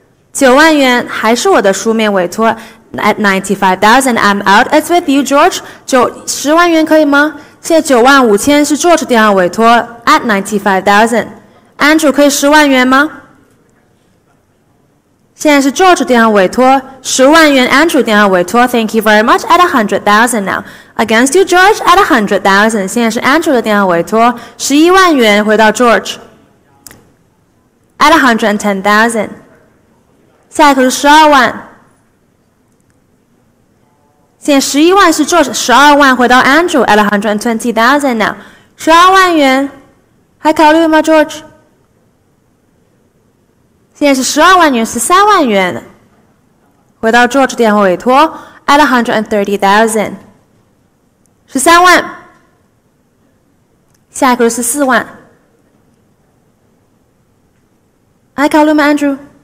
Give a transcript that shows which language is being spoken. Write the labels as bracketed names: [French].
[Chinese] 九万元还是我的书面委托 [English] at 95,000。 I'm out. It's with you, George. [Chinese] 10万元可以吗？现在95000是 George 电话委托 [English] at 95,000。 [Chinese] Andrew 可以10万元吗？现在是 George 电话委托10万元。 [English] Andrew [Chinese] 电话委托 [English] Thank you very much at 100,000 now。 Against you, George, at 100,000. [Chinese] 现在是 Andrew 的电话委托，11万元回到 George, [English] at 110,000. [Chinese] 下一个是12万。现在11万是 George, 12万回到 Andrew, [English] at 120,000 now. [Chinese] 12万元，还考虑吗 ，George？现在是12万元，13万元回到 George 电话委托 ， [English] at 130,000。 [Chinese] 13万，下一个是14万，还考虑吗 ，Andrew？